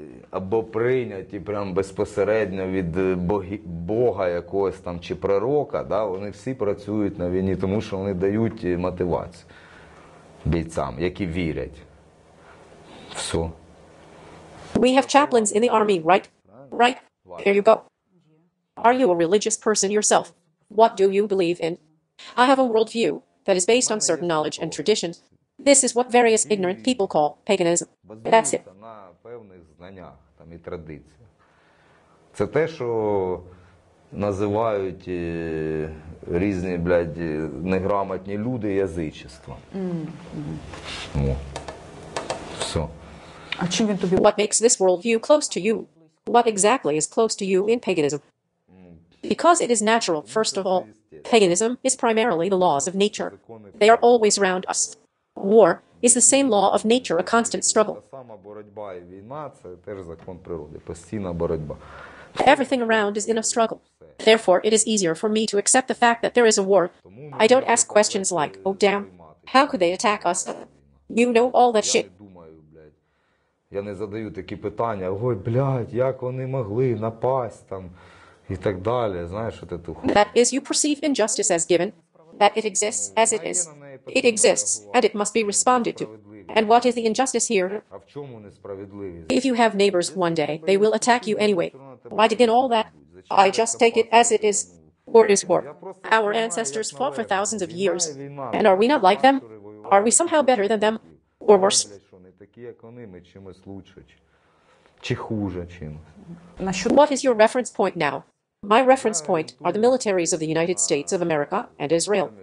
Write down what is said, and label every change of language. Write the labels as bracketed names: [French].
[Ukrainian] або прийняті прям безпосередньо від Бога якогось там чи пророка, да, вони всі працюють на війні, тому що вони дають мотивацію бійцям, які вірять. Все. [English] We have chaplains in the army, right? Right? Here you go. Are you a religious person yourself? What do you believe in? I have a worldview that is based on certain knowledge and tradition. This is what various ignorant people call paganism. That's it. [Ukrainian] Певних знаннях там і традицій. Це те, що називають різні, блядь, неграмотні люди язичеством. Mm-hmm. Все. А чим він тобі? [English] What makes this worldview close to you? What exactly is close to you in paganism? Because it is natural, first of all. Paganism is primarily the laws of nature. They are always around us. War is the same law of nature, a constant struggle. [Ukrainian] Сама боротьба і війна – це теж закон природи, постійна боротьба. [English] Everything around is in a struggle. Therefore, it is easier for me to accept the fact that there is a war. I don't ask questions like, oh damn, how could they attack us? You know all that shit. [Ukrainian] Я не задаю такі питання, ой, блядь, як вони могли напасть там, і так далі, знаєш, оте ту [English] хуйню. That is, you perceive injustice as given, that it exists as it is. It exists, and it must be responded to. And what is the injustice here? [Ukrainian] А в чому несправедливість? [English] If you have neighbors one day, they will attack you anyway. Why did in all that? I just take it as it is. War is war. Our ancestors fought for thousands of years. And are we not like them? Are we somehow better than them? Or worse? [Ukrainian] Такі, як вони, ми чимось лучше, чи хуже чимось. [English] What is your reference point now? My reference point are the militaries of the United States of America and Israel.